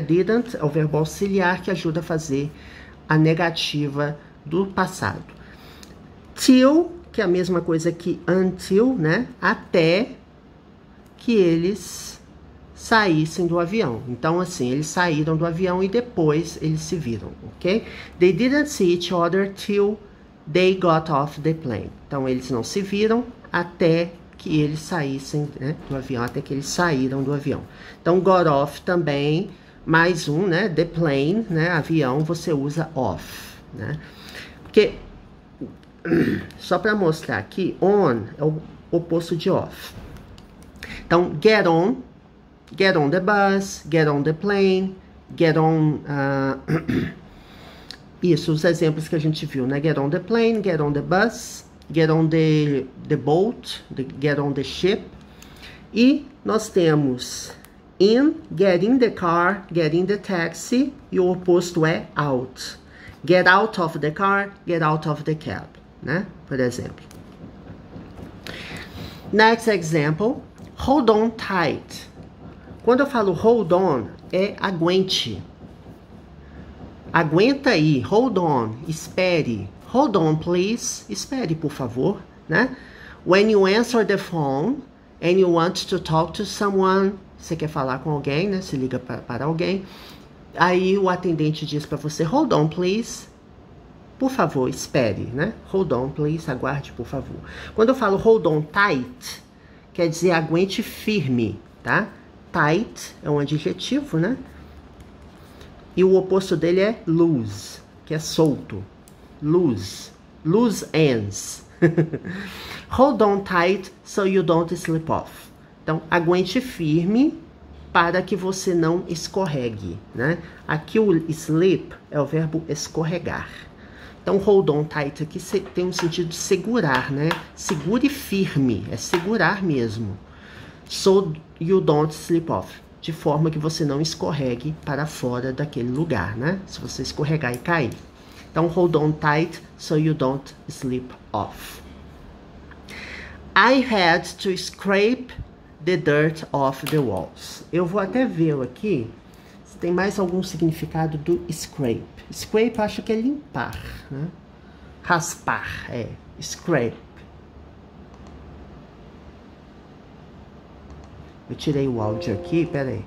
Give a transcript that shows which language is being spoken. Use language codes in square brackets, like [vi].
[pt] Didn't é o verbo auxiliar que ajuda a fazer a negativa do passado. Till, que é a mesma coisa que until, né? Até que eles saíssem do avião. Então, assim, eles saíram do avião e depois eles se viram, ok? [en] They didn't see each other till they got off the plane. [pt] Então eles não se viram até que eles saíssem, né, do avião, até que eles saíram do avião. Então got off também, mais um, né, the plane, né, avião, você usa off, né? Porque só para mostrar aqui, on é o oposto de off. [en] Então get on the bus, get on the plane, get on. [pt] Isso, os exemplos que a gente viu, né? [en] Get on the plane, get on the bus, get on the boat, get on the ship. [pt] E nós temos [en] in, get in the car, get in the taxi, [pt] e o oposto é [en] out. Get out of the car, get out of the cab, né? [pt] Por exemplo. [en] Next example, hold on tight. [pt] Quando eu falo [en] hold on, [pt] é aguente. Aguenta aí, hold on, espere. [en] Hold on, please, [pt] espere, por favor, né? [en] When you answer the phone and you want to talk to someone, [pt] Você quer falar com alguém, né? Se liga para alguém. Aí o atendente diz para você: [en] hold on, please. [pt] Por favor, espere, né? [en] Hold on, please. [pt] Aguarde, por favor. Quando eu falo hold on tight, quer dizer aguente firme, tá? Tight é um adjetivo, né? E o oposto dele é loose, que é solto. [en] Loose. Loose ends. Hold on tight so you don't slip off. [pt] Então, aguente firme para que você não escorregue, né? Aqui o slip é o verbo escorregar. Então, hold on tight aqui tem um sentido de segurar, né? Segure firme, é segurar mesmo. [en] So you don't slip off. [pt] De forma que você não escorregue para fora daquele lugar, né? Se você escorregar e cair. [en] Então, hold on tight so you don't slip off. I had to scrape the dirt off the walls. [pt] Eu vou até ver aqui se tem mais algum significado do scrape. Scrape, acho que é limpar, né? Raspar, é. Scrape. Eu tirei o áudio aqui, peraí.